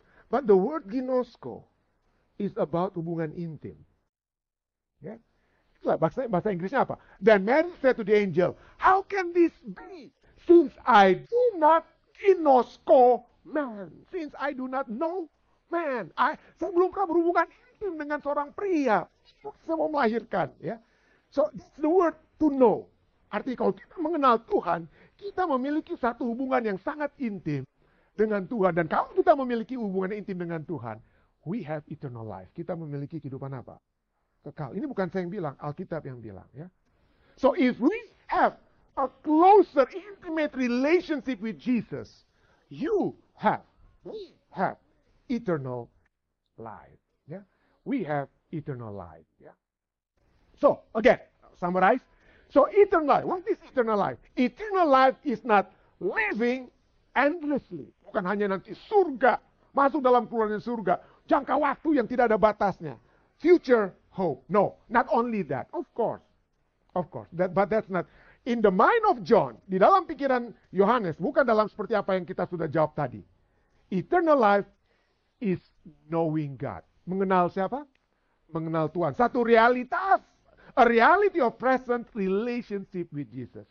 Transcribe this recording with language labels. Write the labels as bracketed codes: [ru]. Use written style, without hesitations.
[en] But the word ginosko is about [id] hubungan intim. [en] Yeah? [id] Bahasa Inggrisnya apa? [en] Then Mary said to the angel, how can this be since I do not ginosko man? Since I do not know man. [id] Saya belum pernah berhubungan intim dengan seorang pria. Saya mau melahirkan, ya. Yeah? [en] So, it's the word to know. [id] Arti kalau kita mengenal Tuhan, kita memiliki satu hubungan yang sangat intim dengan Tuhan. Dan kalau kita memiliki hubungan intim dengan Tuhan, [en] we have eternal life. [id] Kita memiliki kehidupan apa? Kekal. Ini bukan saya yang bilang, Alkitab yang bilang. Ya. [en] So, if we have a closer, intimate relationship with Jesus, you have, we have eternal life. Yeah? We have eternal life. Yeah? So, again, summarize. So, eternal life. What is eternal life? Eternal life is not living endlessly. [id] Bukan hanya nanti surga. Masuk dalam keluarnya surga. Jangka waktu yang tidak ada batasnya. [en] Future hope. No, not only that. Of course, that, but that's not. In the mind of John, [id] di dalam pikiran Yohanes, bukan dalam seperti apa yang kita sudah jawab tadi. [en] Eternal life is knowing God. [id] Mengenal siapa? Mengenal Tuhan. Satu realitas. [en] A reality of present relationship with Jesus.